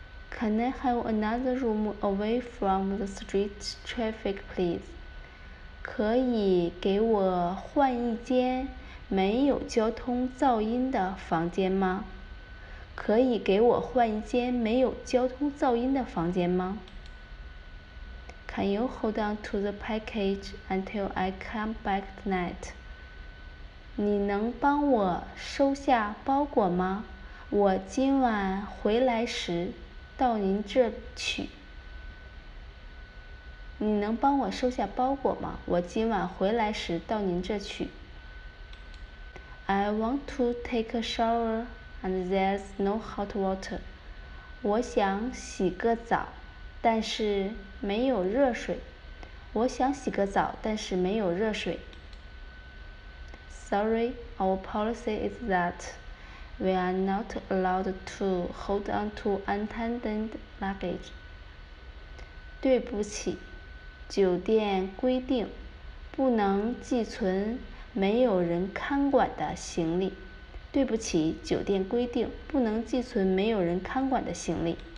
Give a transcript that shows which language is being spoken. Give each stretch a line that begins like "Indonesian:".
English: Can I have another room away from the street traffic, please?
Chinese: 可以给我换一间没有交通噪音的房间吗？可以给我换一间没有交通噪音的房间吗？
English: Can you hold on to the package until I come back tonight?
Chinese: 你能帮我收下包裹吗？我今晚回来时到您这去。你能帮我收下包裹吗？我今晚回来时到您这去。
English: I want to take a shower and there's no hot water.
Chinese: 我想洗个澡，但是没有热水。我想洗个澡，但是没有热水。
English: Sorry, our policy is that we are not allowed to hold on to untended luggage.
Chinese: 对不起，酒店规定不能寄存没有人看管的行李。对不起，酒店规定不能寄存没有人看管的行李。